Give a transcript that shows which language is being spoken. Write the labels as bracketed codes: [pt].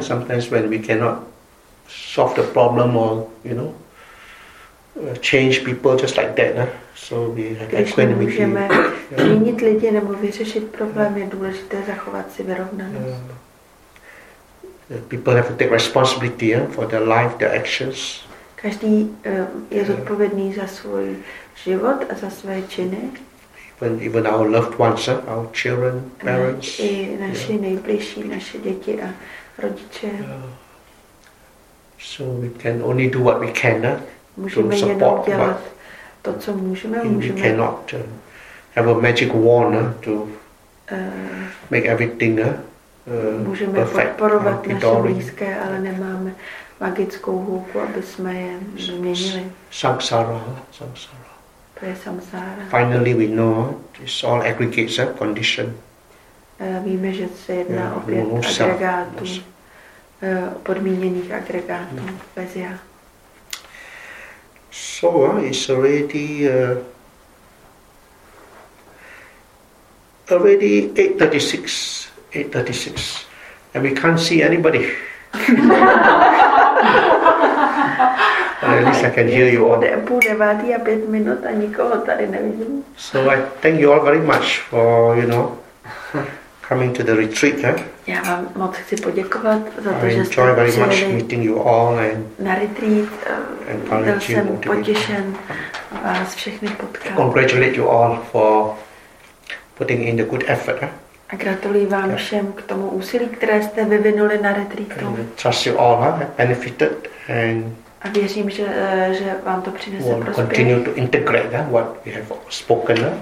[en] Sometimes when we cannot solve the problem or change people just like that. So we have equanimity. [cs] Když můžeme měnit lidi nebo vyřešit problém, je důležité zachovat si vyrovnanost. [en] People have to take responsibility for their life, their actions. [cs] Každý je zodpovědný za svůj život a za své činy. [en] Even our loved ones, our children, parents. [cs] I naši nejbližší, naše děti a rodiče. [en] So we can only do what we can to support. [cs] Můžeme jenom dělat to, co můžeme, [en] We cannot have a magic wand to make everything [cs] můžeme [en] perfect. [cs] Podporovat naše blízké, ale nemáme magickou hůlku, aby jsme je změnili. [en] Samsara. [cs] To je samsara. [en] Finally we know it's all aggregates of condition. [cs] Víme, že se jedná o pět agregátů. Podmíněných agregátů bez já. [en] So it's already 8:36, and we can't see anybody. At least I can hear you all. [cs] Půl devátý a pět minut a nikoho tady nevidím. [en] So I thank you all very much for, you know, coming to the retreat. [cs] Já vám moc chci poděkovat za to, že jste přijeli. [en] I enjoy very much meeting you all and [cs] na retreat. Byl jsem potěšen vás všechny potkat. [en] Congratulate you all for putting in the good effort. [cs] A gratuluji vám všem k tomu úsilí, které jste vyvinuli na retreatu. [en] Trust you all, benefited and [cs] a věřím, že vám to přinese prospěch. [en] We'll continue to integrate what we have spoken